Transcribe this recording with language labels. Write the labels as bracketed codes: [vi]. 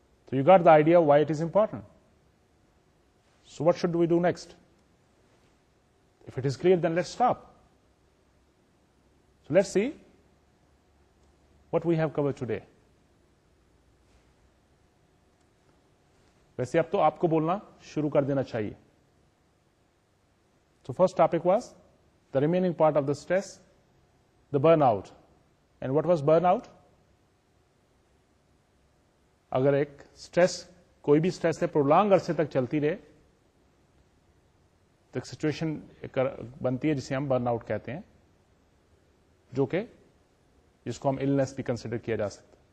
[en] So you got the idea of why it is important. So what should we do next? If it is clear, then let's stop. So let's see what we have covered today. [ur] वैसे अब तो आपको बोलना शुरू कर देना चाहिए. [en] So first topic was the remaining part of the stress, the burnout. And what was burnout? [ur] اگر ایک سٹریس, کوئی بھی سٹریس ہے, پرولانگ عرصے تک چلتی رہے, تو ایک سچویشن بنتی ہے جسے ہم برن آؤٹ کہتے ہیں, جو کہ جس کو ہم النس بھی کنسیڈر کیا جا سکتا.